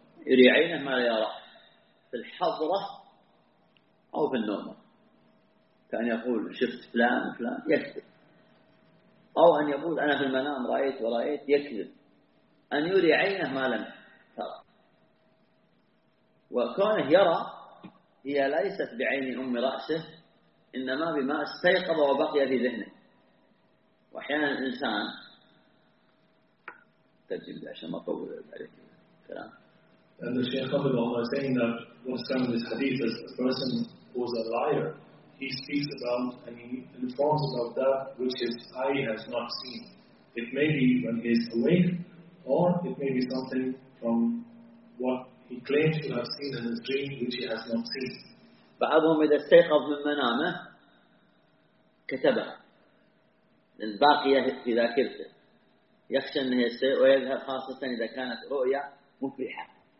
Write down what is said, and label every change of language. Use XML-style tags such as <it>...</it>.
<ar>يري عينه ما يرى في الحضرة أو في النوم كان يقول شفت فلان فلان يكذب أو أن يقول أنا في المنام رأيت ورأيت يكذب أن يري عينه ما لم ترى وكونه يرى هي ليست بعين أم رأسه إنما بما استيقظ وبقي في ذهنه وأحيانا الإنسان تجيب لي عشان ما أطول عليك كلام</ar> <en>And the Shaykh Abdullah was saying that what comes with hadith is a person who is a liar. He speaks about and he informs about that which his eye has not seen. It may be when he is awake, or it may be something from what he claims to have seen in his dream which he has not seen.</en> <ar>بعضهم إذا استيقظ من منامه كتبها الباقية في ذاكرته يخشى أنه يستيقظ ويذهب خاصة إذا كانت رؤية مفلحة</ar>